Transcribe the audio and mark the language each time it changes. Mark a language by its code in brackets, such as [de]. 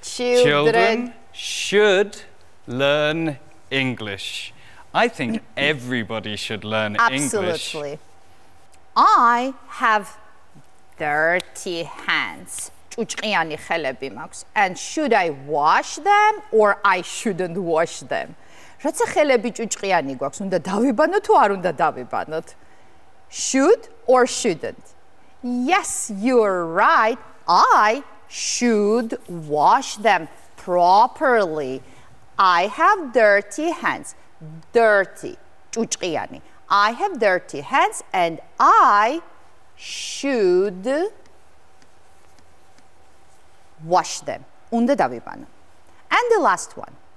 [en] Children should learn English. I think everybody should learn Absolutely. English. Absolutely. I have dirty hands. [ka] ჭუჭყიანი ხელები მაქვს. [en] And should I wash them or I shouldn't wash them? [ka] როცა ხელები ჭუჭყიანი გვაქვს, უნდა დავიბანოთ თუ არ უნდა დავიბანოთ? [en] Should or shouldn't? Yes, you're right. I should wash them properly. I have dirty hands. Dirty, ჭუჭყიანი. I have dirty hands and I should wash them. [ka] Unda davibano. [en] And the last one.